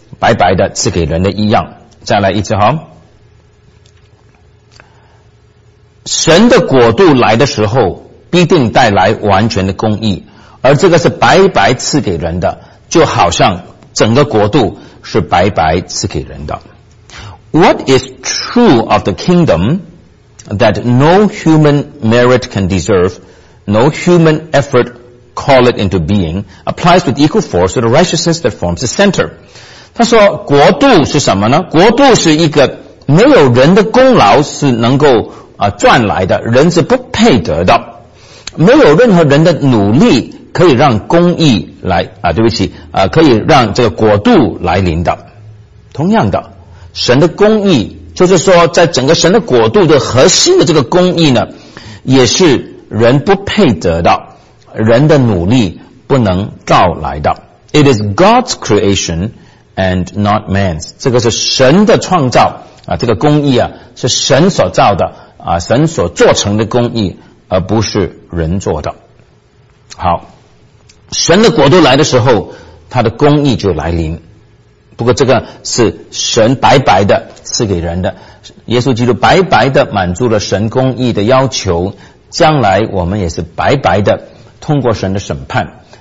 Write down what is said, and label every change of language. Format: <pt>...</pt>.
<zh>白白的赐给人的一样。再来一次哈，神的国度来的时候必定带来完全的公义，而这个是白白赐给人的，就好像整个国度是白白赐给人的。</zh> <en>What is true of the kingdom that no human merit can deserve, no human effort call it into being, applies with equal force to the righteousness that forms the center.</en> <zh>他说国度是什么呢？国度是一个没有人的功劳是能够赚来的，人是不配得的，没有任何人的努力可以让公义来可以让这个国度来临的。同样的，神的公义就是说在整个神的国度的核心的这个公义呢，也是人不配得的，人的努力不能到来的。</zh> <en>It is God's creation and not man's.</en> <zh>这个是神的创造这个公义是神所造的神所做成的公义，而不是人做的。好，神的国度来的时候，他的公义就来临。不过这个是神白白的赐给人的，耶稣基督白白的满足了神公义的要求，将来我们也是白白的通过神的审判。</zh>